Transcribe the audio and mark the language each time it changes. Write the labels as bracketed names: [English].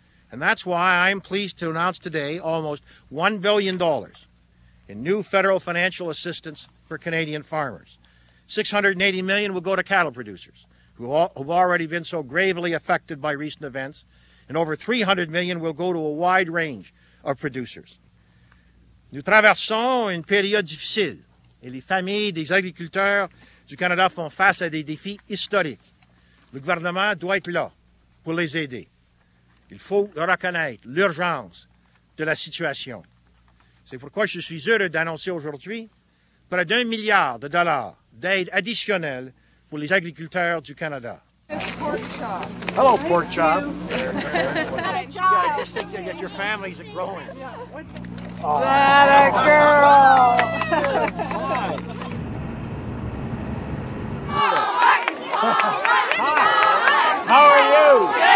[English] And that's why I'm pleased to announce today almost $1 billion in new federal financial assistance for Canadian farmers. $680 million will go to cattle producers who have already been so gravely affected by recent events, and over $300 million will go to a wide range of producers. [French] Nous traversons une période difficile et les familles des agriculteurs du Canada font face à des défis historiques. Le gouvernement doit être là pour les aider. Il faut reconnaître l'urgence de la situation. C'est pourquoi je suis heureux d'annoncer aujourd'hui près d'un milliard de dollars d'aide additionnelle pour les agriculteurs du Canada. [English] Pork Hello, nice pork chop. Hello, pork chop. You guys just think you'll get your families growing. Yeah. What the- that a girl. How are you?